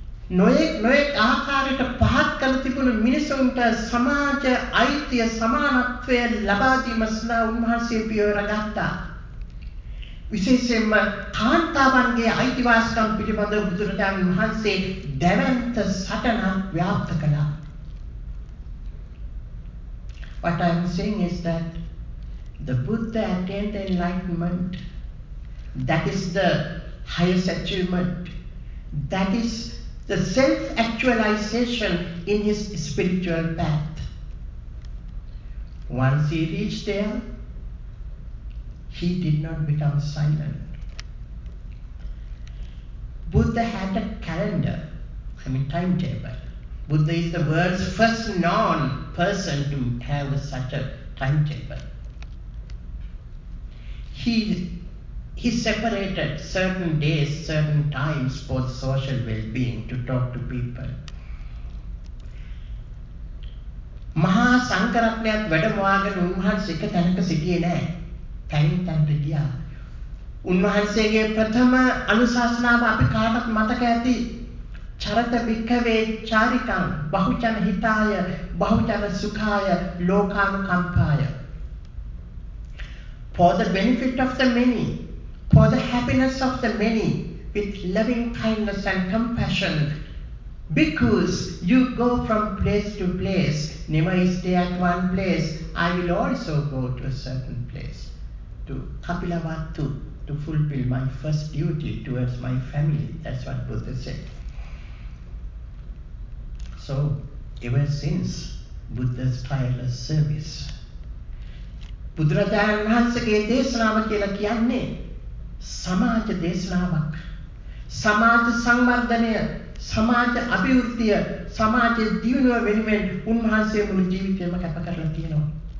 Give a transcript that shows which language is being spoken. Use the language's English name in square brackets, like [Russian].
[Sinhala] නොයෙක් ආකාරයට පහත් කළ තිබුණු මිනිසුන්ට සමාජ අයිතිය, සමානත්වය ලබා දීම සඳහා උන්වහන්සේ පියවර ගත්තා. විශේෂයෙන්ම කාන්තාවන්ගේ අයිතිවාසිකම් පිළිබඳ බුදුරජාණන් වහන්සේ දැවැන්ත සටනක් ව්‍යාප්ත කළා. [English] What I'm saying is that the Buddha attained the enlightenment. That is the highest achievement. That is the self-actualization in his spiritual path. Once he reached there, he did not become silent. Buddha had a calendar, I mean timetable. Buddha is the world's first non-person to have such a timetable. He separated certain days, certain times for social well-being to talk to people. Mahas [Sinhala] සංකරත්නයත් වැඩමවාගෙන උන්වහන්සේ එක තැනක සිටියේ නැහැ. තැනින් තැනට ගියා. උන්වහන්සේගේ ප්‍රථම අනුශාසනාව අපි කාටත් මතක ඇති. [Pali] චරත වික්ඛවේ චාරිකං බහුජන හිතාය බහුජන සුඛාය ලෝකානුකම්පාය. [English] For the benefit of the many, for the happiness of the many, with loving kindness and compassion, because you go from place to place, never stay at one place, I will also go to a certain place, to Kapilavastu, to fulfill my first duty towards my family. That's what Buddha said. So, ever since Buddha's tireless service, [Sinhala] බුදුරජාණන් වහන්සේගේ දේශනාව කියලා කියන්නේ සමාජ දේශනාවක්. සමාජ සංවර්ධනය, සමාජ අභිවෘද්ධිය, සමාජ දියුණුව වෙනුවෙන් උන්වහන්සේ මුළු ජීවිතයම කැප කරලා තියෙනවා.